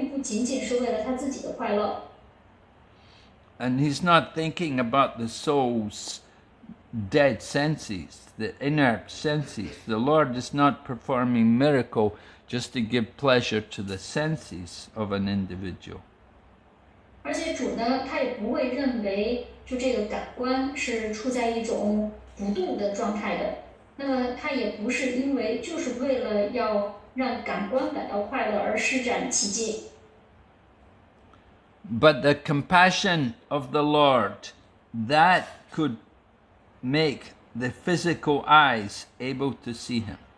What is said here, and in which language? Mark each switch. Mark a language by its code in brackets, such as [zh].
[zh] 而且呢，他会为了要受益于生物体而施展奇迹。他这么做并不仅仅是为了他自己的快乐。 [en] And he's not thinking about the soul's dead senses, the inert senses. The Lord is not performing miracle just to give pleasure to the senses of an individual. [zh] 而且主呢，他也不会认为就这个感官是处在一种不动的状态的。那么他也不是因为就是为了要让感官感到快乐而施展奇迹。 [en] But the compassion of the Lord, that could make the physical eyes able to see Him.